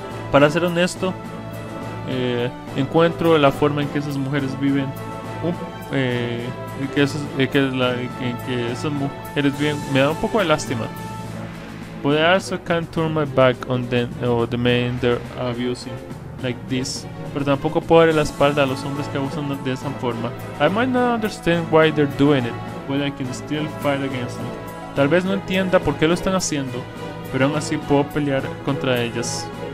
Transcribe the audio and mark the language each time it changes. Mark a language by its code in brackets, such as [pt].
[es] Para ser honesto, encuentro la forma en que esas mujeres viven me da un poco de lástima. [en] But I also can't turn my back on them or the men they're abusing like this. [es] Pero tampoco puedo darle la espalda a los hombres que abusan de esa forma. [en] I might not understand why they're doing it, but I can still fight against them. [es] Tal vez no entienda por qué lo están haciendo, pero aún así puedo pelear contra ellas.